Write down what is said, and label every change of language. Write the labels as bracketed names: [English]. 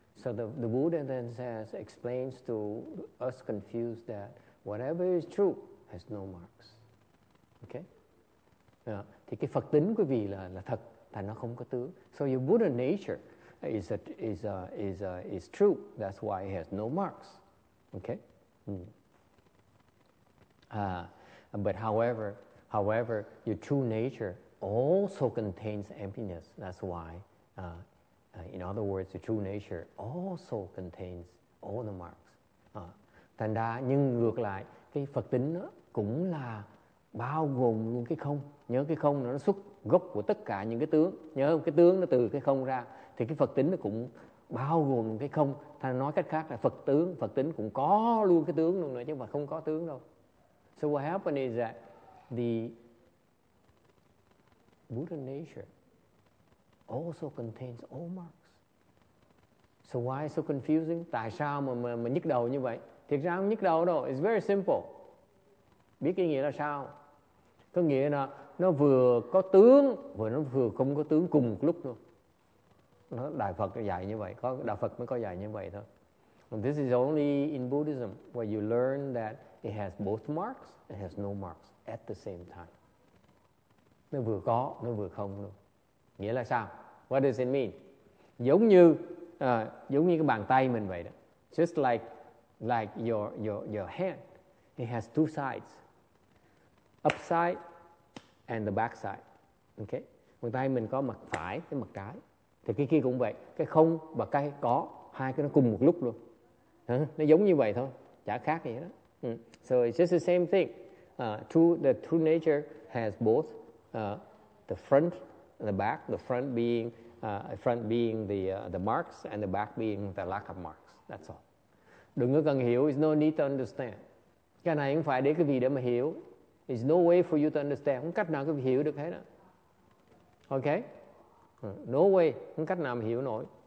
[English] So the Buddha then says, explains to us confused that whatever is true has no marks. Okay? Yeah. [Vietnamese] Thì cái Phật tính quý vị là thật, tại nó không có tướng. [English] So your Buddha nature is true. That's why it has no marks. Okay? However, your true nature also contains emptiness. That's why, in other words, your true nature also contains all the marks. [Vietnamese] Thành ra, nhưng ngược lại, cái Phật tính đó cũng là bao gồm luôn cái không. Nhớ cái không nó xuất gốc của tất cả những cái tướng. Nhớ không? Cái tướng nó từ cái không ra. Thì cái Phật tính nó cũng bao gồm luôn cái không. Thành nói cách khác là Phật tính cũng có luôn cái tướng luôn nữa, chứ mà không có tướng đâu. [English] So what happened is that the Buddha nature also contains all marks. So why so confusing? [Vietnamese] Tại sao mà nhức đầu như vậy? Thiệt ra không nhức đầu đâu. [English] It's very simple. [Vietnamese] Biết cái nghĩa là sao? Có nghĩa là nó vừa có tướng, vừa nó vừa không có tướng cùng một lúc luôn. Nó Đại Phật dạy như vậy. Có Đạo Phật mới có dạy như vậy thôi. [English] And this is only in Buddhism where you learn that it has both marks and has no marks at the same time. [Vietnamese] Nó vừa có, nó vừa không luôn. Nghĩa là sao? [English] What does it mean? [Vietnamese] Giống như cái bàn tay mình vậy đó. [English] Just like your hand. It has two sides. Upside and the back side. Okay? [Vietnamese] Bàn tay mình có mặt phải với mặt trái. Thì cái kia cũng vậy, cái không và cái có, hai cái nó cùng một lúc luôn. Nó giống như vậy thôi, chả khác gì hết. [English] So it's just the same thing. The true nature has both the front and the back. The front being the marks, and the back being the lack of marks. That's all. [Vietnamese] Đừng có cần hiểu. [English] It's no need to understand. [Vietnamese] Cái này không phải để cái gì để mà hiểu. [English] It's no way for you to understand. [Vietnamese] Không cách nào cái gì hiểu được hết. Okay? [English] No way. [Vietnamese] Không cách nào mà hiểu nổi.